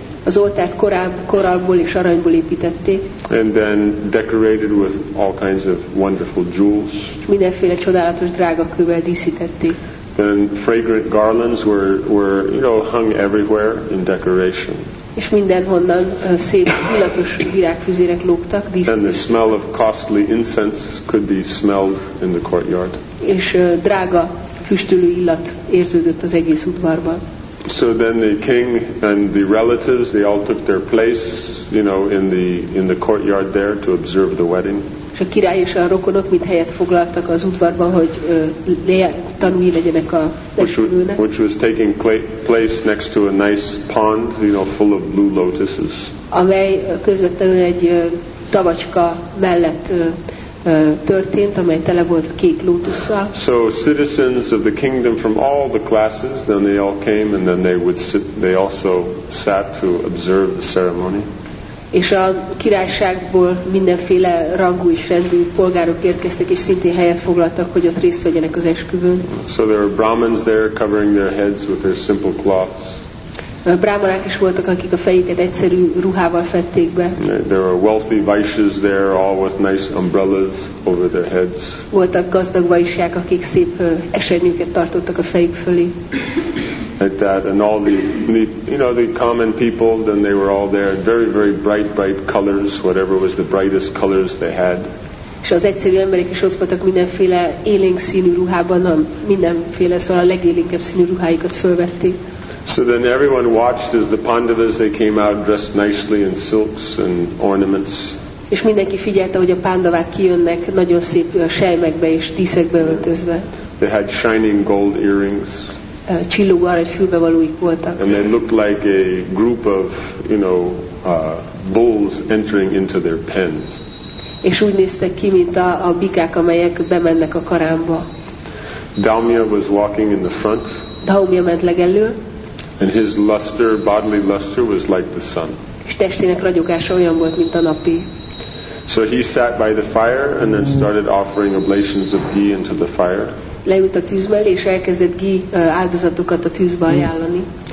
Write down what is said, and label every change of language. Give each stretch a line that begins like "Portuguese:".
Hungarian: Az oltárt korallból és aranyból építették.
English: And then decorated with all kinds of wonderful jewels.
Hungarian: Mindenféle csodálatos drága kővel díszítették.
English: Then fragrant garlands were you know hung everywhere in decoration.
Hungarian: És mindenhonnan szép illatos virágfüzérek lógtak díszítették.
English: And the smell of costly incense could be smelled in the courtyard.
Hungarian: És drága füstölő illat érződött az egész udvarban.
English: So then the king and the relatives, they all took their place, you know, in the courtyard there to observe the wedding.
Hungarian: És a király és a rokonok mind helyet foglaltak az udvarban, hogy tanúi legyenek a esküvőnek.
English: Which was taking place next to a nice pond, you know, full of blue lotuses.
Hungarian: Amely közvetlenül egy tavacska mellett történt, amely tele volt kék lótusszal.
English: So citizens of the kingdom from all the classes, then they all came and then they would sit, they also sat to observe the ceremony.
Hungarian: És a királyságból mindenféle rangú és rendű polgárok érkeztek és szintén helyet foglaltak, hogy ott részt vegyenek az esküvőn.
English: So there were Brahmins there covering their heads with their simple cloths.
Hungarian: Brahmanák is voltak, akik a fejüket egyszerű ruhával fették be.
English: There were wealthy vaishyas there, all with nice umbrellas over their heads.
Hungarian: Voltak gazdag vaishyák, akik szép esernyőket tartottak a fejük fölé.
English: Like that, and all the common people, then they were all there, very very bright colors, whatever was the brightest colors they had.
Hungarian: És az egyszerű emberek is ott voltak mindenféle élénk színű ruhában, mindenféle, szóval a legélénkebb színű ruháikat fölvették.
English: So then everyone watched as the Pandavas they came out dressed nicely in silks and ornaments.
Hungarian: És mindenki figyelte, hogy a Pandavák kijönnek nagyon szép selymekbe és díszekbe öltözve.
English: They had shining gold earrings.
Hungarian: Csillogó arany fülbevalóik voltak.
English: And they looked like a group of, you know, bulls entering into their pens.
Hungarian: És úgy néztek ki, mint a bikák, amelyek bemennek a karámba.
English: Daumya was walking in the front.
Hungarian: Daumya ment legelő.
English: And his luster, bodily luster, was like the sun.
Hungarian: És testének ragyogása olyan volt, mint a napi.
English: So he sat by the fire and then started offering oblations of ghee into the fire.
Hungarian: Leült a tűz mellé, és elkezdett ghee áldozatokat a tűzbe ajánlani.